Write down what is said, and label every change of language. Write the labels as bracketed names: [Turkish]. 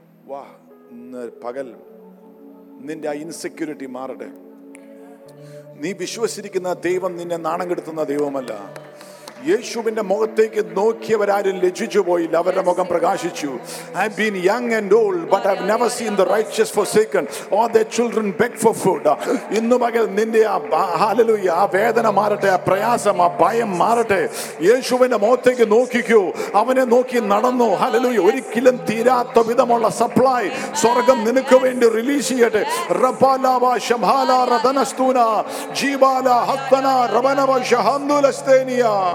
[Malayalam] വാ, ഇന്ന് പകൽ നിന്റെ ആ ഇൻസെക്യൂരിറ്റി മാറട്ടെ. നീ വിശ്വസിച്ചിരിക്കുന്ന ദൈവം നിന്നെ നാണം കെടുത്തുന്ന ദൈവമല്ല. യേശുവിന്റെ മുഖത്തേക്ക് നോക്കിയവരാരും ലജ്ജിച്ചു പോയില്ല, അവരുടെ മുഖം പ്രകാശിച്ചു. [English] I've been young and old, but I've never seen the righteous forsaken or their children beg for food. [Malayalam] ഇന്നു പകൽ നിന്റെ ആ ഹല്ലേലൂയ ആ വേദന മാറട്ടെ, ആ പ്രയാസം ആ ഭയം മാറട്ടെ. യേശുവിന്റെ മുഖത്തേക്ക് നോക്കിക്കൂ, അവനെ നോക്കി നടന്നു. ഹല്ലേലൂയ, ഒരിക്കലും തീരാത്ത വിധമുള്ള സപ്ലൈ സ്വർഗം നിനക്ക് വേണ്ടി റിലീസ് ചെയ്യട്ടെ. റബ്ബാലാവ ശംഹാലാ റദനസ്തൂന ജീബാല ഹത്തന റബനവ ഷഹന്ദുലസ്തേനിയ.